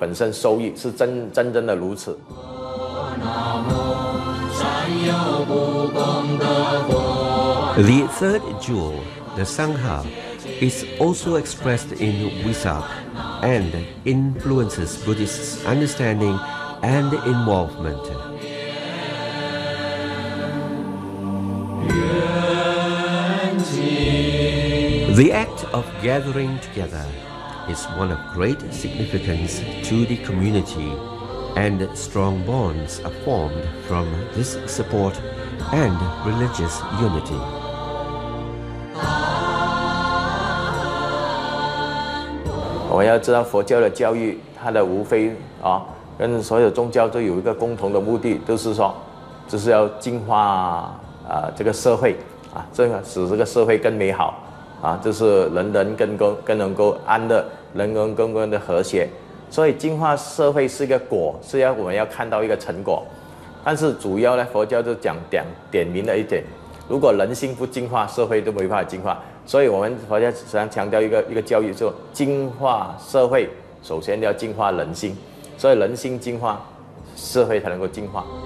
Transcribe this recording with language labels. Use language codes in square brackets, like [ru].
[zh] 去修行啊，去行动，去啊，哦，去修行啊，我们佛教讲。那么第四个叫正，就是，佛陀所说的，不只是我相信就好，我去了解就好，我去做就好。包括你本身来讲，是能够体悟到、感受到，它你本身受益是真正的如此。 [en] The third jewel, the Sangha, is also expressed in Wesak and influences Buddhists' understanding and involvement. The act of gathering together is one of great significance to the community, and strong bonds are formed from this support and religious unity. We need to know that the teaching of Buddhism has a common purpose, which is to improve the society, to make the society more beautiful. [zh] 就是人人更能够安的，人人更能的和谐。所以净化社会是一个果，是要我们要看到一个成果。但是主要呢，佛教就讲 点明了一点，如果人心不净化，社会都没法净化。所以我们佛教实际上强调一个教育，就净化社会首先要净化人心，所以人心净化，社会才能够净化。